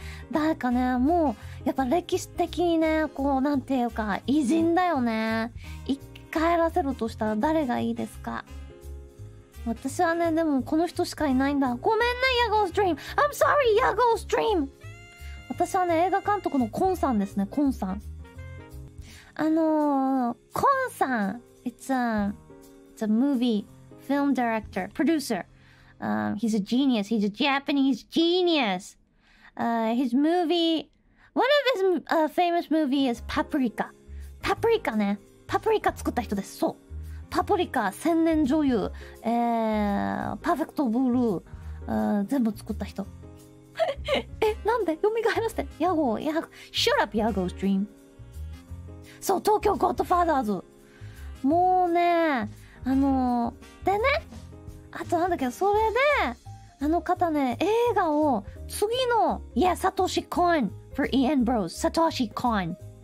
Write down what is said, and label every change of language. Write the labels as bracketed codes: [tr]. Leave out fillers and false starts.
[ja] 誰かね、もう、やっぱ歴史的にね、こう、なんていうか、偉人だよね。生き返らせるとしたら誰がいいですか?私はね、でもこの人しかいないんだ。ごめんね、Yago's Dream! [en] I'm sorry, Yago's Dream! [ja] 私はね、映画監督のコンさんですね、コンさん。コンさん。 [en] It's a movie film director, producer. He's a genius. He's a Japanese genius. His movie, one of his、famous movie is Paprika. [ja] Paprika ね。 Paprika 作った人です。そう。 Paprika、千年女優、Perfect Blue、全部作った人。なんで?蘇らせて。 [en] Yago, Yago. Shut up, Yago's dream. [ja] そう、東京 Godfathers。もうね、でね、あとなんだけど、それで、あの方ね、映画を次の、いや、サトシコン for Ian Bros. サトシコン。